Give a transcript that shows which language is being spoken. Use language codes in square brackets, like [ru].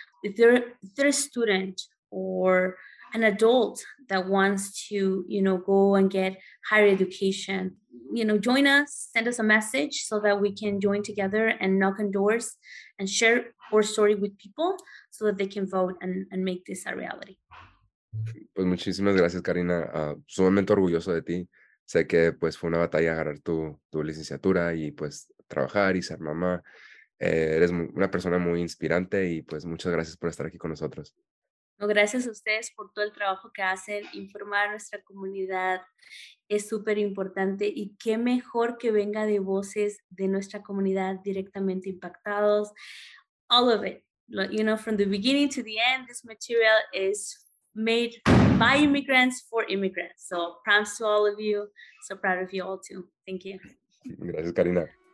[en] If they're a student or an adult that wants to, you know, go and get higher education, you know, join us, send us a message so that we can join together and knock on doors and share our story with people so that they can vote and make this a reality. [es] Pues muchísimas gracias, Karina. Sumamente orgulloso de ti. Sé que pues fue una batalla agarrar tu licenciatura y pues trabajar y ser mamá. Eres una persona muy inspirante y pues muchas gracias por estar aquí con nosotros. No, gracias a ustedes por todo el trabajo que hacen. Informar a nuestra comunidad es súper importante y qué mejor que venga de voces de nuestra comunidad directamente impactados. [en] All of it, you know, from the beginning to the end, this material is made by immigrants for immigrants. So props to all of you. So proud of you all too. Thank you. [es] Gracias, Karina.